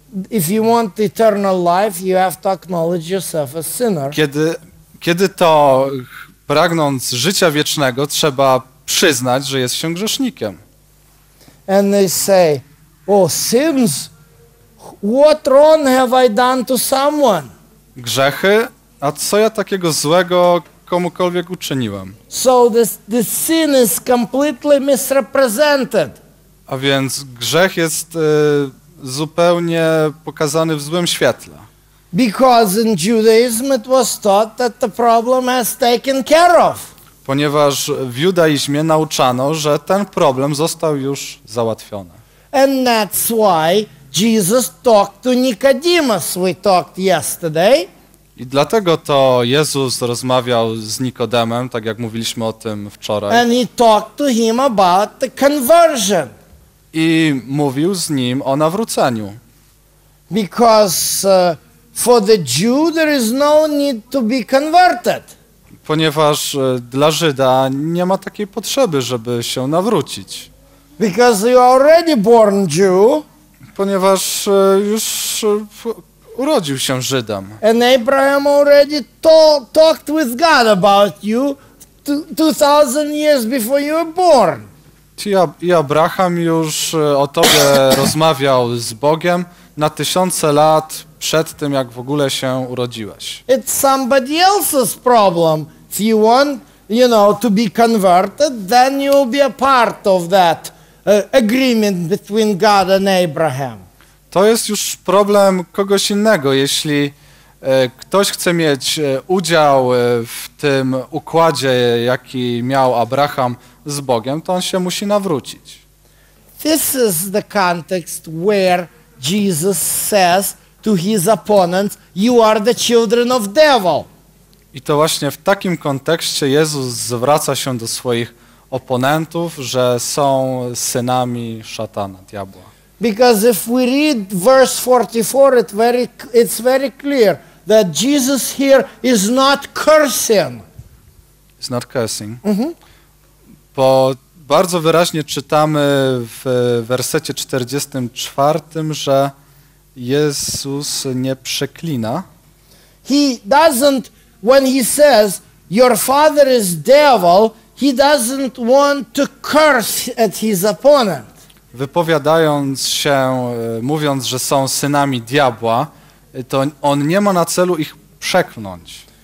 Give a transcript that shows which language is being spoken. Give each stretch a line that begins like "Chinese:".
English: If you want eternal life, you have to acknowledge yourself as sinner.
Polish: Kiedy to pragnąc życia wiecznego, trzeba przyznać, że jest się grzesznikiem.
English: And they say, oh, sins, what wrong have I done to someone?
Polish: Grzechy? A co ja takiego złego komukolwiek uczyniłem?
English: So the sin is completely misrepresented.
Polish: A więc grzech jest zupełnie pokazany w złym świetle.
English: Because in Judaism it was taught that the problem has taken care of.
Polish: Ponieważ w judaizmie nauczano, że ten problem został już załatwiony.
English: And that's why Jesus talked to Nicodemus, we talked yesterday.
Polish: I dlatego to Jezus rozmawiał z Nikodemem, tak jak mówiliśmy o tym wczoraj.
English: And he talked to him about the conversion.
Polish: I mówił z nim o nawróceniu.
English: Because for the Jew there is no need to be converted.
Polish: Ponieważ dla Żyda nie ma takiej potrzeby, żeby się nawrócić.
English: Because you are already born Jew.
Polish: Ponieważ już urodził się Żydem.
English: And Abraham already talked with God about you 2000 years before you were born.
Polish: I Abraham już o tobie rozmawiał z Bogiem na tysiące lat przed tym, jak w ogóle się urodziłeś.
English: It's somebody else's problem. If you want, you know, to be converted, then you'll be a part of that agreement between God and Abraham.
Polish: To jest już problem kogoś innego. Jeśli ktoś chce mieć udział w tym układzie, jaki miał Abraham z Bogiem, to on się musi nawrócić.
English: This is the context where Jesus says to his opponents, you are the children of devil.
Polish: I to właśnie w takim kontekście Jezus zwraca się do swoich oponentów, że są synami szatana, diabła.
English: Because if we read verse 44, it's very clear that Jesus here is not cursing. It's not cursing.
Polish: Bo bardzo wyraźnie czytamy w wersecie 44, że Jezus nie przeklina.
English: He doesn't, when he says, your father is devil, he doesn't want to curse at his opponent.
Polish: wypowiadając się, mówiąc, że są synami diabła, to on nie ma na celu ich przeklnąć.